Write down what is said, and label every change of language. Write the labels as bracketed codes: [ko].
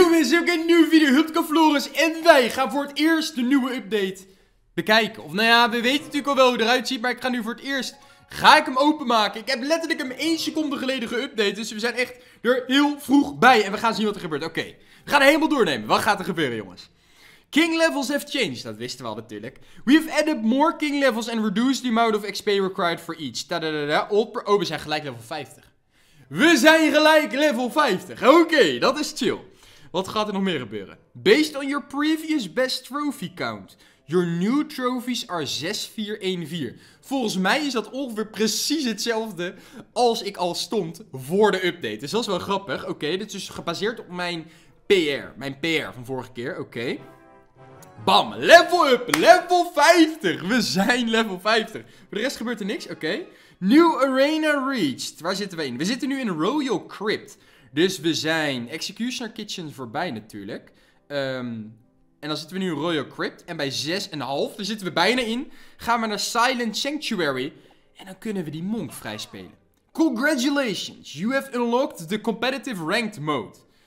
[nl] is ook een nieuwe video, Hupke Floris. En wij gaan voor het eerst de nieuwe update bekijken. Of nou ja, we weten natuurlijk al wel hoe het eruit ziet, maar ik ga nu voor het eerst... Ga ik hem openmaken? Ik heb letterlijk hem 1 seconde geleden geüpdate, dus we zijn echt er heel vroeg bij. En we gaan zien wat er gebeurt. Oké, we gaan helemaal doornemen. Wat gaat er gebeuren, jongens? [en] King levels have changed, [nl] dat wisten we al natuurlijk. [en] We have added more king levels and reduced the amount of XP required for each. [nl] Tadadada, oh, we zijn gelijk level 50. We zijn gelijk level 50. Oké, dat is chill. Wat gaat er nog meer gebeuren? [en] Based on your previous best trophy count, your new trophies are 6414. [nl] Volgens mij is dat ongeveer precies hetzelfde als ik al stond voor de update. Dus dat is wel grappig. Oké, dit is dus gebaseerd op mijn PR. Mijn PR van vorige keer. Oké. Bam, level up, level 50. We zijn level 50. Voor de rest gebeurt er niks, oké. [en] New arena reached. [nl] Waar zitten we in? We zitten nu in Royal Crypt. Dus we zijn Executioner Kitchen voorbij natuurlijk. En dan zitten we nu in Royal Crypt. En bij 6,5, daar zitten we bijna in. Gaan we naar Silent Sanctuary. En dan kunnen we die monk vrijspelen. [en] Congratulations, you have unlocked the competitive ranked mode.